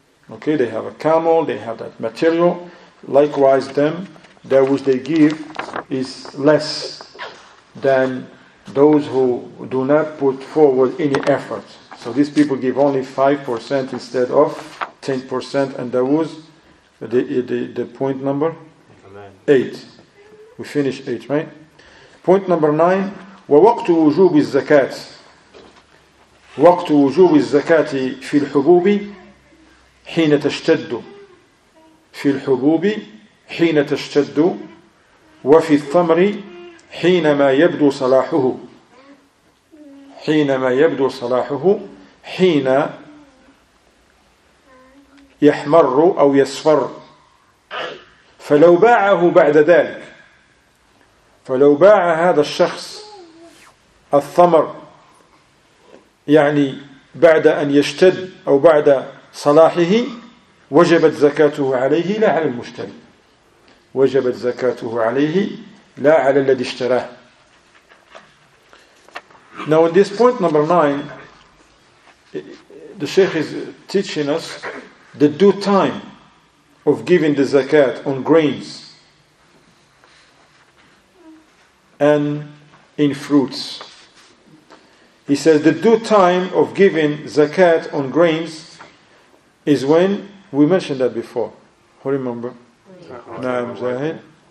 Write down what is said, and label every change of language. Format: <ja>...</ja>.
<en>Okay, they have a camel, they have that material. Likewise, them, that which they give is less than those who do not put forward any effort. So these people give only 5% instead of 10%. And that was the point number 8. We finish 8, right? Point number 9.</en> <ar>وَوَقْتُ وُجُوبِ الزَّكَاةِ وَقْتُ وُجُوبِ الزَّكَاةِ فِي الْحُبُوبِ حِينَ تَشْتَدُّ فِي الْحُبُوبِ حِينَ تَشْتَدُّ وَفِي الثَّمْرِ حِينَمَا يَبْدُو صَلَاحُهُ حِينَمَا يَبْدُو صَلَاحُهُ حِينَ يَحْمَرُ أَوْ يَسْفَرُ فَلَوْ بَاعَهُ بَعْدَ ذَلِكَ فلو باع هذا الشخص الثمر يعني بعد أن يشتد أو بعد صلاحه وجبت زكاته عليه لا على المشتري وجبت زكاته عليه لا على الذي اشتراه.</ar> <en>Now in this point number 9, the Sheikh is teaching us the due time of giving the zakat on grains. and in fruits. He says the due time of giving zakat on grains is when, we mentioned that before. Who remember? Naam Zahid.</en>